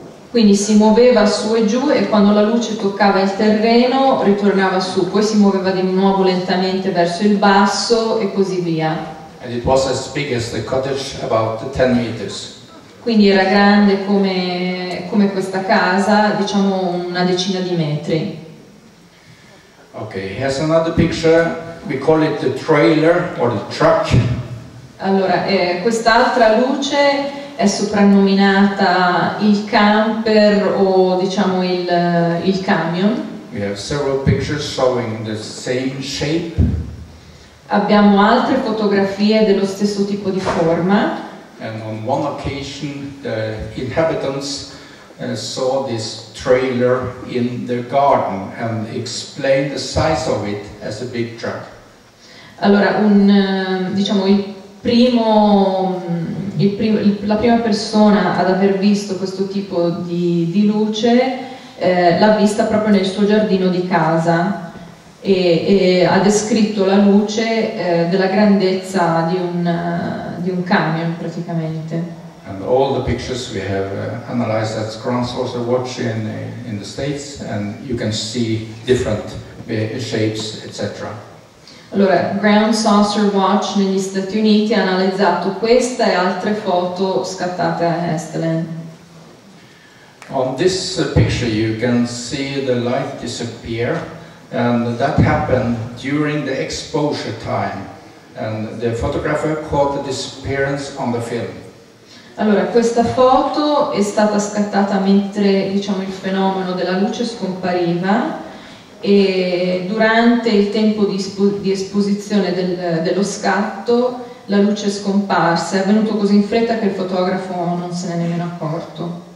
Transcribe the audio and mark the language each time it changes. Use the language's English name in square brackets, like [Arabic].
[Italian] Quindi si muoveva su e giù e quando la luce toccava il terreno ritornava su, poi si muoveva di nuovo lentamente verso il basso e così via. [English] And it was as big as the cottage, about 10 meters. [Italian] Quindi era grande come questa casa, una decina di metri. [English] Okay, here's another picture. We call it the trailer or the truck. [Italian] Allora, quest'altra luce è soprannominata il camper o il camion. [English] We have several pictures showing the same shape. [Italian] Abbiamo altre fotografie dello stesso tipo di forma. [English] And on one occasion, the inhabitants saw this trailer in their garden and explained the size of it as a big truck. [Italian] Allora, la prima persona ad aver visto questo tipo di luce l'ha vista proprio nel suo giardino di casa e ha descritto la luce della grandezza di un camion praticamente. [English] And all the pictures we have analyzed at Grand Saucer Watch in the States, and you can see different shapes, etc. [Italian] Allora, Grand Saucer Watch negli Stati Uniti ha analizzato questa e altre foto scattate a Hestelen. [English] On this picture you can see the light disappear, and that happened during the exposure time, and the photographer caught the disappearance on the film. [Italian] Allora, questa foto è stata scattata mentre, diciamo, il fenomeno della luce scompariva e durante il tempo di esposizione dello scatto la luce è scomparsa. È avvenuto così in fretta che il fotografo non se n'è nemmeno accorto.